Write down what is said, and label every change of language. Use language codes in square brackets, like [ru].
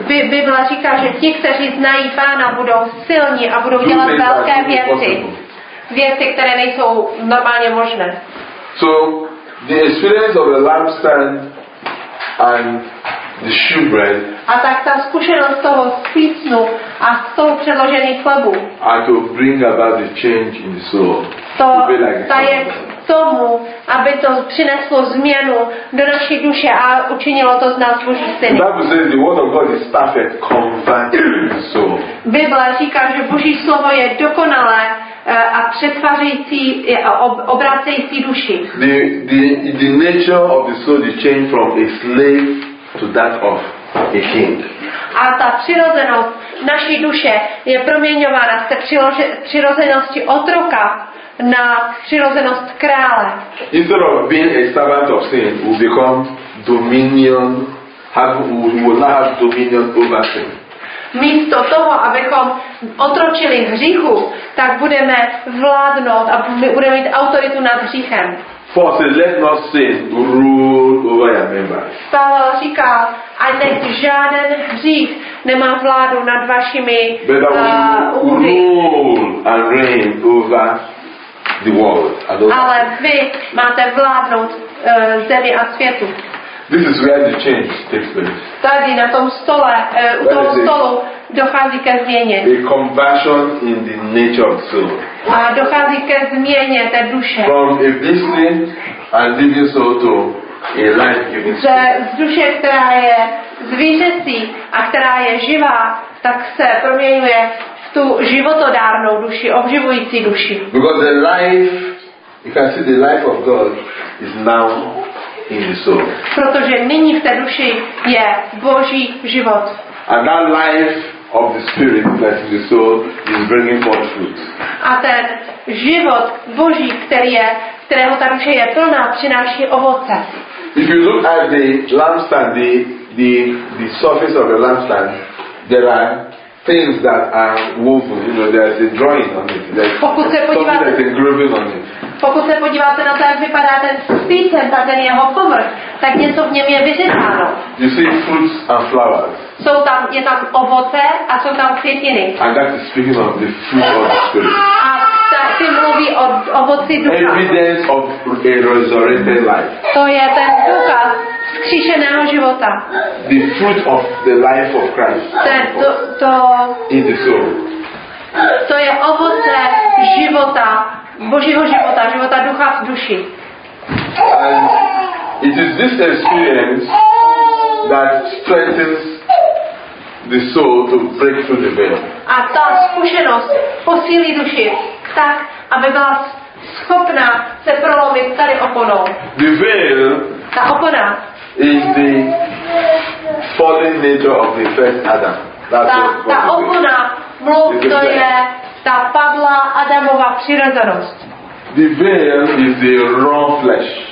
[cs] Bible říká, že ti, kteří znají Pána, budou silní a budou dělat velké věci. Věci, které nejsou normálně možné. [en] So, the experience of the lampstand and the shewbread. [cs] A tak ta zkušenost toho spícnu a stolu předložených chlebů. [en] And to bring about the change in the soul. [cs] To je k tomu, aby to přineslo změnu do naší duše a učinilo to z nás Boží syny. [en] The Bible says the word of God is perfect, converting the soul. [cs] Bible říká, že Boží slovo je dokonalé a přetvářející obracející duši. [en] The nature of the soul is changed from a slave to that of a king. [cs] A ta přirozenost naší duše je proměňována z té přirozenosti otroka na přirozenost krále. [en] Instead of being a servant of sin, we become dominion, have dominion over sin. [cs] Místo toho, abychom otročili hříchu, tak budeme vládnout a budeme mít autoritu nad hříchem. [en] For say, let not sin rule over your members. [cs] Pavel říká, ať nech žádný hřích nemá vládu nad vašimi úry. [en] Rule and reign over the world. [cs] Ale vy máte vládnout zemi a světu. [en] This is where the change takes place. [cs] Tady na tom stole, u toho stolu dochází ke změně. [en] A conversion in the nature of the soul. [cs] A dochází ke změně té duše. [en] From a beastly and living soul to a life-giving soul. [cs] Z duše, která je zvířecí a která je živá, tak se proměňuje v tu životodárnou duši, obživující duši. [en] Because the life, you can see the life of God is now in the soul. [cs] Protože nyní v té duši je Boží život. [en] And that life of the spirit that is the soul is bringing forth fruit. [cs] A ten život Boží, který je, kterého ta duše je plná, přináší ovoce. [en] If you look at the lampstand, the surface of the lampstand, there are things that are woven. You know, there's a drawing on it. There's something that's engraving on it. [cs] Pokud se podíváte na to, jak vypadá ten spícen, ta ten jeho povrch, tak něco v něm je vyřezáno. [en] You see fruits and flowers. [cs] Jsou tam, je tam ovoce a jsou tam květiny. [en] And that is speaking of the fruit of the spirit. [cs] A taky mluví o ovoci ducha. [en] Evidence of a resurrected life. [cs] To je ten důkaz vzkříšeného života. [en] The fruit of the life of Christ. [cs] To [en] in the soul. [cs] To je ovoce života. Božího života, života ducha v duši. [en] And it is this experience that strengthens the soul to break through the veil. [cs] A ta zkušenost posílí duši tak, aby byla schopna se prolomit tady oponou. [en] The veil, [cs] ta opona, [en] is the fallen nature of the first Adam. [cs] Ta opona, mluv, to je ta padlá Adamova přirozenost. [en] The veil is the raw flesh.